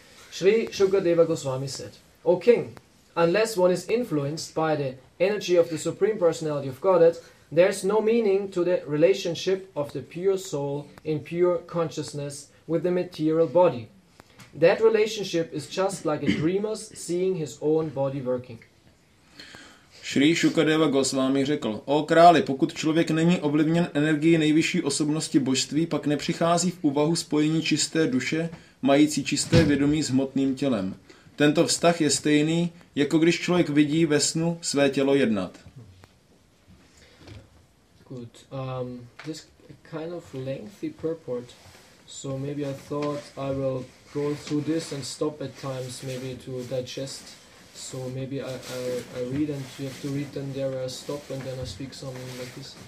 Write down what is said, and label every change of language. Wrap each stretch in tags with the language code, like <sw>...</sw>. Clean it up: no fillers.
<en>Sri Shukadeva Goswami said, O King, unless one is influenced by the energy of the Supreme Personality of Godhead, there is no meaning to the relationship of the pure soul in pure consciousness with the material body. That relationship is just like a dreamer's seeing his own body working.</en> <cs>Shri Shukadeva Goswami řekl, O králi, pokud člověk není ovlivněn energií nejvyšší osobnosti božství, pak nepřichází v úvahu spojení čisté duše, mající čisté vědomí s hmotným tělem. Tento vztah je stejný, jako když člověk vidí ve snu své tělo jednat.</cs> <en>Good. This kind of lengthy purport, so maybe I thought I will go through this and stop at times maybe to digest. So maybe I read and you have to read and there I stop and then I speak something like this.</en>